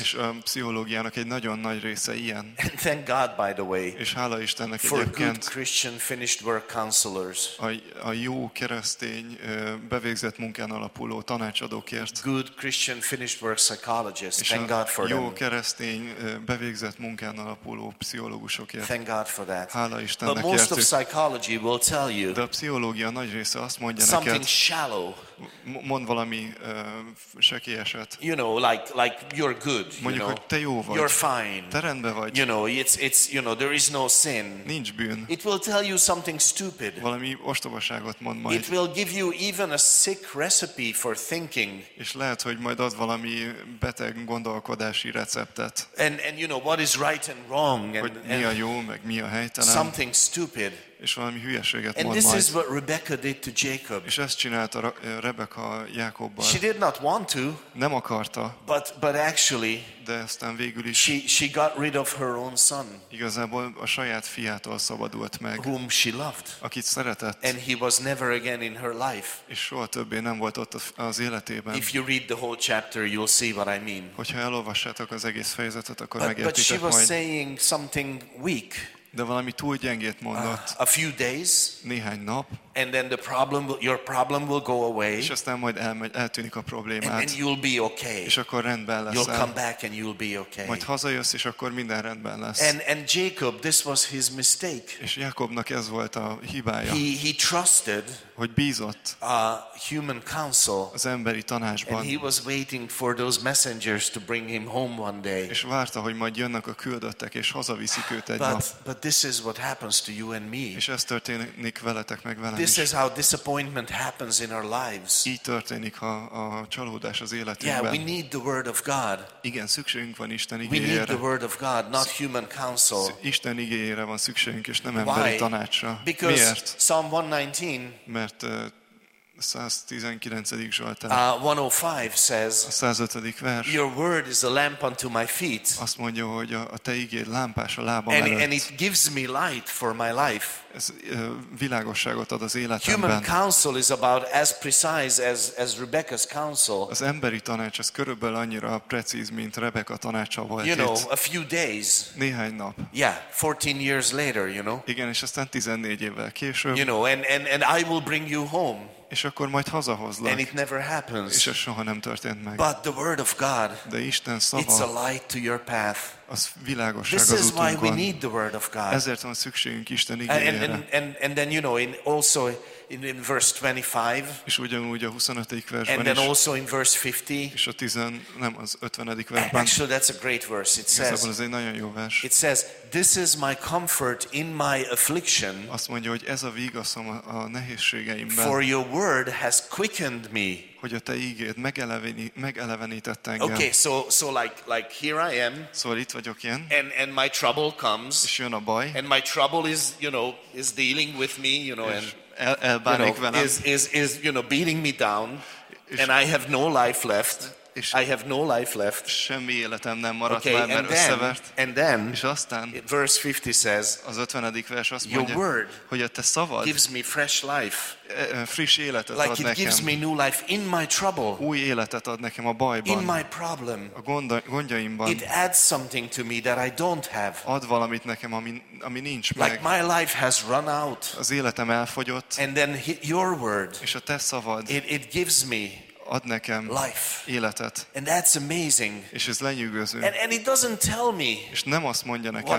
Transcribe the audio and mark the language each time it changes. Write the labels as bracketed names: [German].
[Hungarian] És a pszichológiának egy nagyon nagy része ilyen. [English] And thank God, by the way. [Hungarian] És hála Istennek egyébként. [English] For good Christian finished work counselors. [Hungarian] A jó keresztény bevégzett munkán alapuló tanácsadókért. [English] Good Christian finished work psychologists. Thank God for them. [Hungarian] Jó keresztény bevégzett munkán alapuló pszichológusokért. [English] Thank God for that. [Hungarian] Hála Istennekért. [English] Psychology will tell you. [Hungarian] De a pszichológia nagy része azt mondja neked. [English] Something shallow. [Hungarian] Mond valami sekélyeset. [English] You know, like you're good. [Hungarian] Mondjuk, [English] you know, [Hungarian] hogy te jó vagy. [English] You're fine. [Hungarian] Te rendben vagy. [English] You know, it's you know, there is no sin. [Hungarian] Nincs bűn. [English] It will tell you something stupid. [Hungarian] Valami ostobaságot mond majd. [English] It will give you even a sick recipe for thinking. [Hungarian] És lehet, hogy majd ad valami beteg gondolkodási receptet. [English] And you know what is right and wrong. [Hungarian] Hogy mi a jó, meg mi a helytelen. [English] Something stupid. [Hungarian] és valami hülyeséget [English] and [Hungarian] mond [English] this [Hungarian] majd. [English] Is what Rebecca did to Jacob. [Hungarian] És ezt csinálta Rebecca Jákobbal. [English] She did not want to. [Hungarian] Nem akarta. [English] But actually. [Hungarian] De aztán végül is. [English] She got rid of her own son. [Hungarian] Igazából a saját fiától szabadult meg. [English] Whom she loved. [Hungarian] Akit szeretett. [English] And he was never again in her life. [Hungarian] És soha többé nem volt ott az életében. [English] If you read the whole chapter, you'll see what I mean. [Hungarian] Hogyha elolvassátok az egész fejezetet, akkor megértitek majd. [English] But she was saying something weak. [Hungarian] De valami túl gyengét mondott. [English] A few days. [Hungarian] Néhány nap. [English] And then your problem will go away. [Hungarian] És aztán majd eltűnik a problémád. [English] And you'll be okay. [Hungarian] És akkor rendben lesz. [English] You'll come back and you'll be okay. [Hungarian] Majd hazajössz, és akkor minden rendben lesz. [English] And Jacob, this was his mistake. [Hungarian] És Jákobnak ez volt a hibája. [English] He trusted. [Hungarian] Hogy bízott. [English] A human counsel. [Hungarian] Az emberi tanácsban. [English] And he was waiting for those messengers to bring him home one day. [Hungarian] És várta, hogy majd jönnek a küldöttek, és hazaviszik őt egy nap. [English] But this is what happens to you and me. [Hungarian] És ez történik veletek meg velem. [English] This is how disappointment happens in our lives. [Hungarian] Így történik a csalódás az életünkben. [English] Yeah, we need the word of God. [Hungarian] Igen, szükségünk van Isten igéjére. [English] We need the word of God, not human counsel. [Hungarian] Isten igéjére van szükségünk, és nem emberi tanácsra. [English] Because [Hungarian] miért? [English] Psalm 119. [Hungarian] Mert 119. Zsoltár. [English] 105 says. [Hungarian] A 105. vers. [English] Your word is a lamp unto my feet. [Hungarian] Azt mondja, hogy a te igéd lámpás a lábam [English] and, [Hungarian] előtt. [English] And it gives me light for my life. [Hungarian] Ez világosságot ad az életemben. [English] Human counsel is about as precise as Rebecca's counsel. [Hungarian] Az emberi tanács az körülbelül annyira precíz, mint Rebecca tanácsa volt. [English] You know, [Hungarian] itt. [English] A few days. [Hungarian] Néhány nap. [English] Yeah, 14 years later, you know. [Hungarian] Igen, és aztán 14 évvel később. [English] You know, and I will bring you home. [Hungarian] És akkor majd hazahozlak. [English] And it never happens. [Hungarian] És ez soha nem történt meg. [English] But the word of God. [Hungarian] De Isten szava. [English] It's a light to your path. [Hungarian] Az világosság [English] this [Hungarian] az útunkon. [English] This is why we need the word of God. [Hungarian] Ezért van szükségünk Isten igényére. [English] And then you know in also in verse 25. [Hungarian] És ugyanúgy a 25. versben. [English] And then [Hungarian] is, [English] also in verse 50. [Hungarian] És a 10 nem az 50. versben. [English] Actually that's a great verse. It says. [Hungarian] Igazából ez egy nagyon jó vers. [English] It says this is my comfort in my affliction. [Hungarian] Azt mondja, hogy ez a vígaszom a nehézségeimben. [English] For your word has quickened me. [Hungarian] Hogy a te ígéd megelevenített engem. [English] Okay, so like here I am. [Hungarian] Szóval itt vagyok én. [English] And my trouble comes. [Hungarian] És jön a baj. [English] And my trouble is, you know, is dealing with me, you know, and [Hungarian] elbánik [English] you know, [Hungarian] velem. [English] Is you know beating me down. And I have no life left. I have no life left. [Hungarian] Semmi életem nem maradt okay, már, mert összevert. [English] And then, [Hungarian] és aztán, [English] verse 50 says, [Hungarian] az 50. vers azt mondja, [English] your word [Hungarian] hogy a te szavad [English] gives me fresh life. [Hungarian] Friss életet [English] like [Hungarian] ad [English] it [Hungarian] nekem. [English] Gives me new life in my trouble. [Hungarian] Új életet ad nekem a bajban. [English] In my problem. [Hungarian] A gondjaimban. [English] It adds something to me that I don't have. [Hungarian] Ad valamit nekem, ami nincs meg. [English] Like my life has run out. [Hungarian] Az életem elfogyott. [English] And then your word. [Hungarian] És a te szavad. [English] It gives me [Hungarian] ad nekem [English] life. [Hungarian] Életet. [English] And that's amazing. [Hungarian] És ez lenyűgöző. [English] And it doesn't tell me. [Hungarian] És nem azt mondja nekem.